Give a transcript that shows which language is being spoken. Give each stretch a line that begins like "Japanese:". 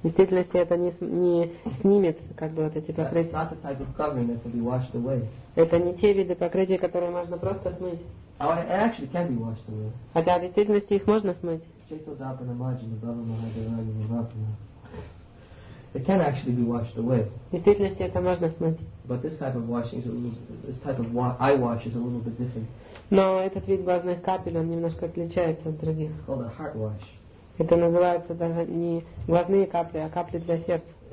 Russian: В действительности это не снимет как бы вот эти покрытия.
English: That's not the type of covering that can be washed away.
Russian: Это не те виды покрытия, которые можно просто смыть.
English: Oh, it actually can be washed away.
Russian: Хотя в действительности их можно смыть. Чей-то дабана маджина бабана хадирани мабана.
English: It can actually be washed away.
Russian: В действительности это можно смыть.
English: But this type of washing is a little, this type of eye wash is a little bit different.
Russian: Но этот вид глазных капель, он немножко отличается от других.
English: It's called a heart wash.
Russian: Это называется даже не глазные капли, а капли для сердца.